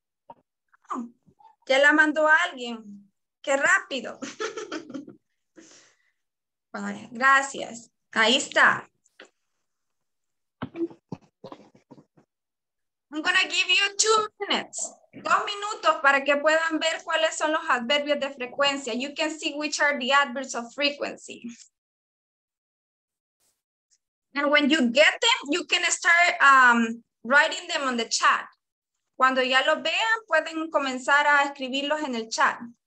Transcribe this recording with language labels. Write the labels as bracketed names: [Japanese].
[Spanish] Okay. Oh, ya la mandó alguien. Qué rápido. Vale, gracias. Ahí está. [English] I'm going to give you 2 minutes. [Spanish] 2 minutos para que puedan ver cuáles son los adverbios de frecuencia. [English] You can see which are the adverbs of frequency. And when you get them, you can start writing them on the chat. [Spanish] Cuando ya lo vean, pueden comenzar a escribirlos en el chat.